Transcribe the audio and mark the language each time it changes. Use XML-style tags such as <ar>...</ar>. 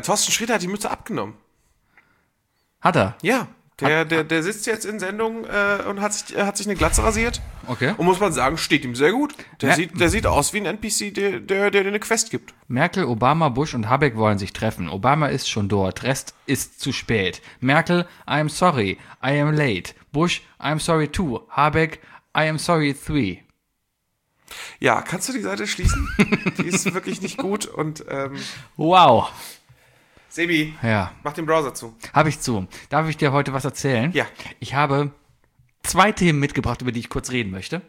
<de>Thorsten Schräter hat die Mütze abgenommen. Hat er? Ja. Der sitzt jetzt in Sendung und hat sich eine Glatze rasiert. Okay. Und muss man sagen, steht ihm sehr gut. Der sieht aus wie ein NPC, der eine Quest gibt. Merkel, Obama, Bush und Habeck wollen sich treffen. Obama ist schon dort. Rest ist zu spät.</de> <en>Merkel, I'm sorry, I am late. Bush, I'm sorry too. Habeck, I am sorry 3.</en> <de>Ja, kannst du die Seite schließen? Die ist wirklich nicht gut. Und wow. Sebi, ja. Mach den Browser zu. Habe ich zu. Darf ich dir heute was erzählen? Ja. Ich habe 2 Themen mitgebracht, über die ich kurz reden möchte.</de>